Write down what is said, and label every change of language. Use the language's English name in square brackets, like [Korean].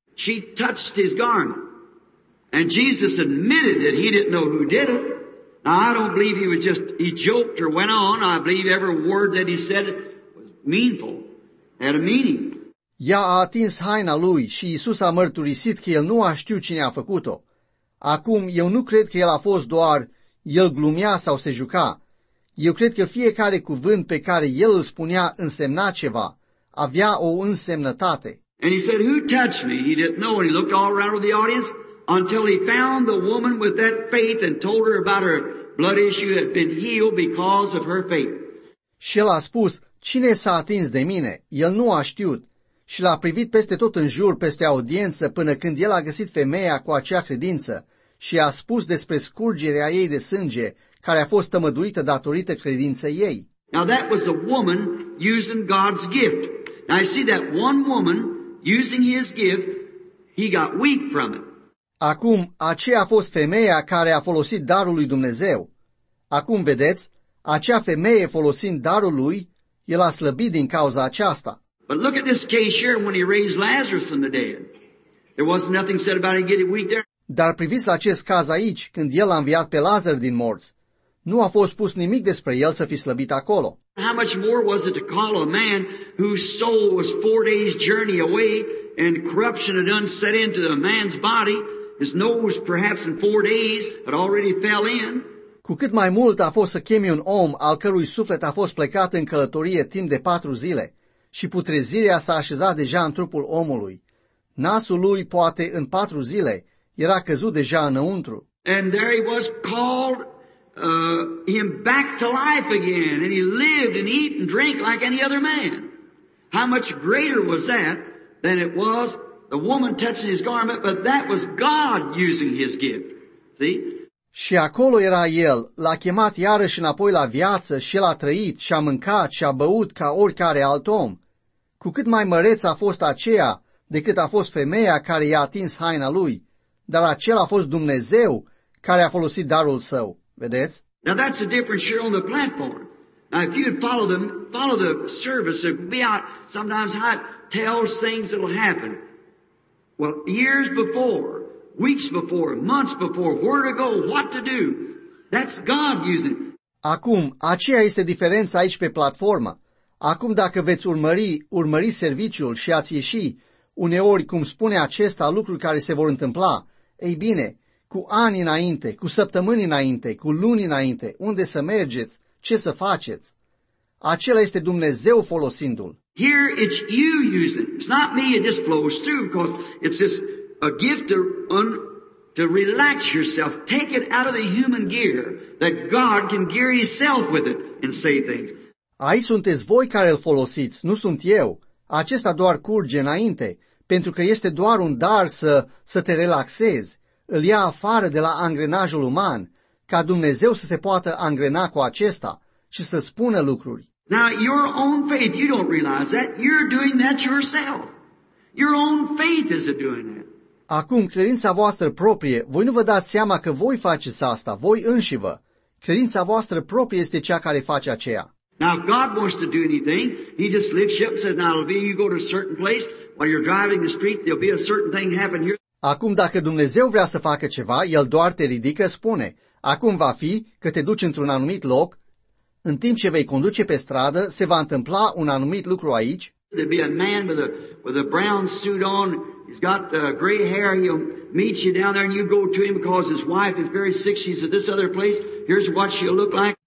[English] She touched his garment. And Jesus admitted that he didn't know who did it. Now, I don't believe he joked or went on. I believe every word that he said was meaningful, had a meaning. [Romanian] Ea a atins haina lui și Iisus a mărturisit că el nu a știut cine a făcut-o. Acum, eu nu cred că el a fost doar, el glumea sau se juca. Eu cred că fiecare cuvânt pe care el îl spunea însemna ceva, avea o însemnătate. [English] And he said, who touched me? He didn't know, and he looked all around the audience. Until he found the woman with that faith and told her about her blood issue had been healed because of her faith. [Romanian] Și el a spus, cine s-a atins de mine? El nu a știut. Și l-a privit peste tot în jur, peste audiență, până când el a găsit femeia cu acea credință și a spus despre scurgerea ei de sânge, care a fost tămăduită datorită credinței ei. [English] Now that was the woman using God's gift. Now I see that one woman using his gift, he got weak from it. [Romanian] Acum, aceea a fost femeia care a folosit darul lui Dumnezeu. Acum, vedeți, acea femeie folosind darul lui, el a slăbit din cauza aceasta. [English] But look at this case here when he raised Lazarus from the dead. There was nothing said about him getting weak there. [Romanian] Dar priviți la acest caz aici, când el a înviat pe Lazar din morți. Nu a fost spus nimic despre el să fi slăbit acolo. [English] How much more was it to call a man whose soul was 4 days journey away and corruption had unset into the man's body? His nose, perhaps in 4 days, had already fell in. [Romanian] Cu cât mai mult a fost să chemi un om al cărui suflet a fost plecat în călătorie timp de 4 zile și putrezirea s-a așezat deja în trupul omului. Nasul lui, poate în 4 zile, era căzut deja înăuntru. [English] And there he was called him back to life again, and he lived and ate and drank like any other man. How much greater was that than it was the woman touching his garment, but that was God using his gift. See? [Romanian] Și acolo era el, l-a chemat iarăși înapoi la viață și el a trăit și a mâncat și a băut ca oricare alt om. Cu cât mai măreț a fost aceea decât a fost femeia care i-a atins haina lui, dar acela a fost Dumnezeu care a folosit darul său. Vedeți? [English] Now that's a difference here on the platform. Now, if you'd follow the service, it would be out sometimes how it tells things that will happen. Well, years before, weeks before, months before, where to go, what to do. That's God using. [Romanian] Acum, aceea este diferența aici pe platformă. Acum, dacă veți urmări serviciul și ați ieși, uneori, cum spune acesta, lucruri care se vor întâmpla, ei bine, cu ani înainte, cu săptămâni înainte, cu luni înainte, unde să mergeți, ce să faceți? Acela este Dumnezeu folosindu-l. [English] Here it's you using it. It's not me, it just flows through, because it's just a gift to relax yourself, take it out of the human gear, that God can gear himself with it and say things. [Romanian] Aici sunteți voi care îl folosiți, nu sunt eu. Acesta doar curge înainte, pentru că este doar un dar să te relaxezi. Îl ia afară de la angrenajul uman, ca Dumnezeu să se poată angrena cu acesta și să spună lucruri. [English] Now, your own faith, you don't realize that. You're doing that yourself. Your own faith is doing that. [Romanian] Acum, credința voastră proprie, voi nu vă dați seama că voi faceți asta, voi înșivă. Credința voastră proprie este cea care face aceea. [English] Now, if God wants to do anything, he just lifts you up and says, now, it'll be you go to a certain place, while you're driving the street, there'll be a certain thing happen here. [Romanian] Acum, dacă Dumnezeu vrea să facă ceva, el doar te ridică, spune, acum va fi că te duci într-un anumit loc, în timp ce vei conduce pe stradă, se va întâmpla un anumit lucru aici. [English] There'll be a man with a brown suit on, he's got gray hair, he'll meet you down there and you go to him because his wife is very sick, she's at this other place, here's what she'll look like.